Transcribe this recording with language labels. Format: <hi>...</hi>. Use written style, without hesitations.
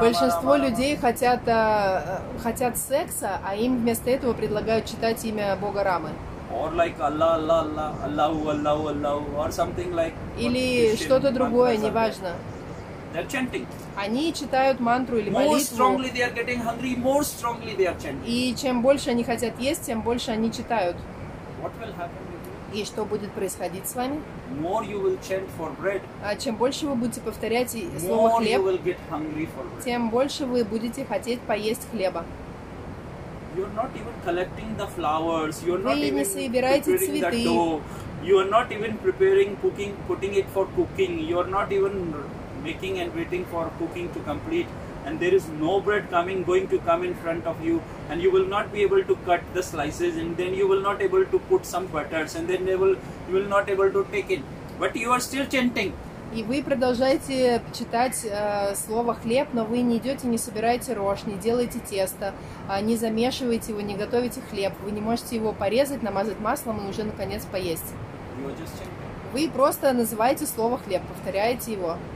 <ru>Большинство людей хотят секса, а им вместо этого предлагают читать имя Бога Рамы.</ru> <en>Or like Allah, Allah, Allah, Allah, Allah, Allah, or something like.</en> <ru>Или что-то другое, неважно.</ru> <en>They're chanting.</en> <ru>Они читают мантру или</ru> <en>more</en> <ru>молитву.</ru> <en>More strongly they are getting hungry, more strongly they are chanting.</en> <ru>И чем больше они хотят есть, тем больше они читают.</ru> <en>What will happen?</en> <ru>И что будет происходить с вами?</ru> <en>More you will chant for bread,</en> <ru>чем больше вы будете повторять слово хлеб, тем больше вы будете хотеть поесть хлеба.</ru> <en>You're not even collecting the flowers, you're</en> <ru>вы</ru> <en>not even</en> <ru>не собираете цветы.</ru> <en>You're not even preparing cooking, putting it for cooking. You're not even making and waiting for cooking to complete. And there is no bread coming, going to come in front of you, and you will not be able to cut the slices, and then you will not able to put some butters, and then you will not able to take it. But you are still chanting.</en> <ru>И вы продолжаете читать слово хлеб, но вы не идете, не собираете рожь, не делаете тесто, не замешиваете его, не готовите хлеб. Вы не можете его порезать, намазать маслом и уже наконец поесть.</ru> <en>You are just chanting.</en> <ru>Вы просто называете слово хлеб, повторяете его.</ru>